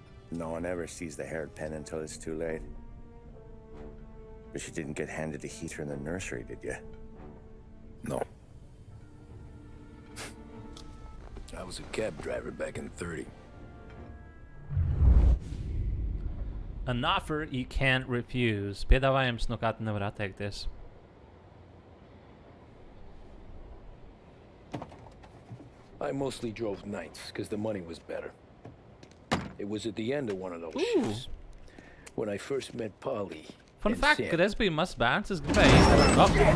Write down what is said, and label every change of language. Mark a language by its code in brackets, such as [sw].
[en] No one ever sees the hairpin until it's too late. But you didn't get handed a heater in the nursery, did you? No. I was a cab driver back in 30. An offer you can't refuse. [lv] Piedāvājums, no kā tu nevar atteikties. [en] I mostly drove nights, because the money was better. It was at the end of one of those shifts. When I first met Polly. Fun fact, [lv] kad es biju mazs bērns, es gribēju iedzināt. Oh.